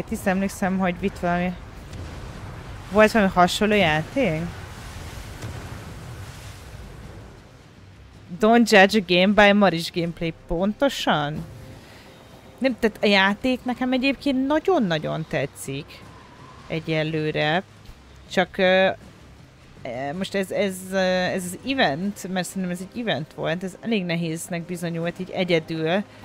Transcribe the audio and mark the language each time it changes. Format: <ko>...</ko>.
<hu>Tiszt emlékszem, hogy vitt valami... Volt valami hasonló játék?</hu> <en>Don't judge a game by Maris gameplay.</en> <hu>Pontosan? Nem, tehát a játék nekem egyébként nagyon-nagyon tetszik egyelőre. Csak most ez az event, mert szerintem ez egy event volt, ez elég nehéznek bizonyult így egyedül.</hu>